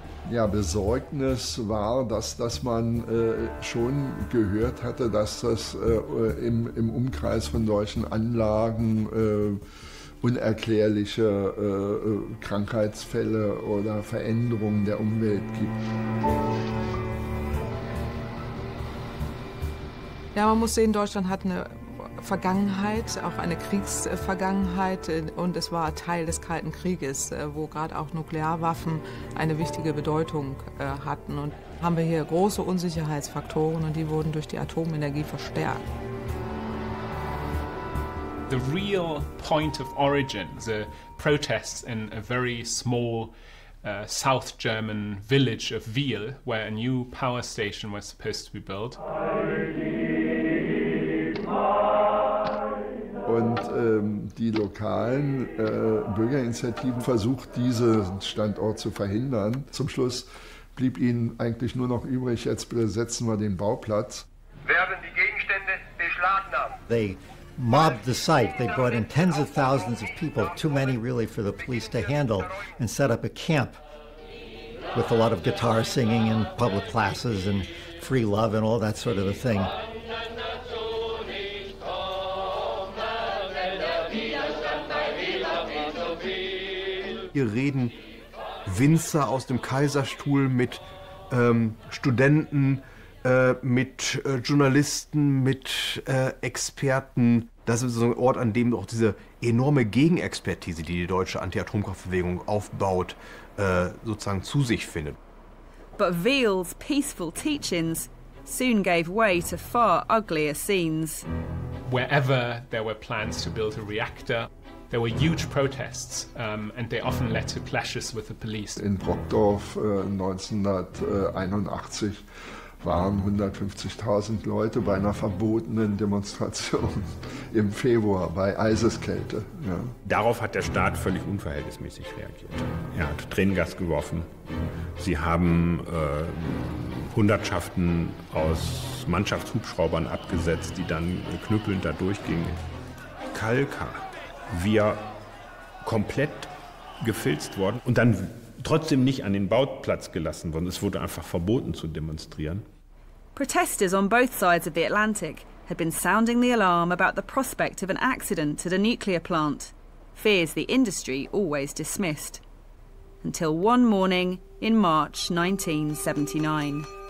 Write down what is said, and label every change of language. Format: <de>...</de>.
<de>Ja, Besorgnis war, dass man schon gehört hatte, dass das im Umkreis von solchen Anlagen unerklärliche Krankheitsfälle oder Veränderungen der Umwelt gibt. Ja, man muss sehen, Deutschland hat eine Vergangenheit, auch eine Kriegsvergangenheit, und es war Teil des Kalten Krieges, wo gerade auch Nuklearwaffen eine wichtige Bedeutung hatten. Und haben wir hier große Unsicherheitsfaktoren, und die wurden durch die Atomenergie verstärkt.</de> <en>The real point of origin, the protests in a very small South German village of Wiel, where a new power station was supposed to be built.</en> <de>Und die lokalen Bürgerinitiativen versucht, diesen Standort zu verhindern. Zum Schluss blieb ihnen eigentlich nur noch übrig, jetzt besetzen wir den Bauplatz. Werden die Gegenstände beschlagnahmt?</de> <en>Mobbed the site. They brought in tens of thousands of people, too many really for the police to handle, and set up a camp with a lot of guitar singing and public classes and free love and all that sort of a thing.</en> <de>Hier reden Winzer aus dem Kaiserstuhl mit Studenten, mit Journalisten, mit Experten. Das ist so ein Ort, an dem auch diese enorme Gegenexpertise, die die deutsche Anti-Atomkraftbewegung aufbaut, sozusagen zu sich findet.</de> <en>But Wiel's peaceful teachings soon gave way to far uglier scenes. Wherever there were plans to build a reactor, there were huge protests, and they often led to clashes with the police.</en> <de>In Brockdorf 1981 waren 150.000 Leute bei einer verbotenen Demonstration im Februar bei Eiseskälte. Ja. Darauf hat der Staat völlig unverhältnismäßig reagiert. Er hat Tränengas geworfen. Sie haben Hundertschaften aus Mannschaftshubschraubern abgesetzt, die dann knüppelnd da durchgingen. Kalka, wir komplett gefilzt worden und dann trotzdem nicht an den Bauplatz gelassen worden. Es wurde einfach verboten zu demonstrieren.</de> <en>Protesters on both sides of the Atlantic had been sounding the alarm about the prospect of an accident at a nuclear plant, fears the industry always dismissed. Until one morning in March 1979.</en>